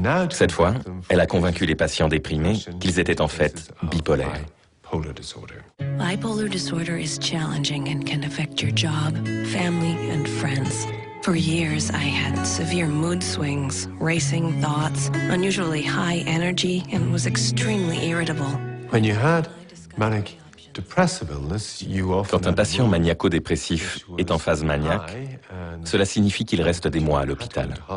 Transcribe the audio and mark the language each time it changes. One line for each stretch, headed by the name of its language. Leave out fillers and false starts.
French: Cette fois, elle a convaincu les patients déprimés qu'ils étaient en fait bipolaires.
English: Bipolar disorder is challenging and can affect your job, family and friends. For years, I had severe mood swings, racing thoughts, unusually high energy, and was extremely irritable. When you had manic depressive illness, you often...
French: Quand un patient maniaco-dépressif est en phase maniaque, cela signifie qu'il reste des mois à l'hôpital.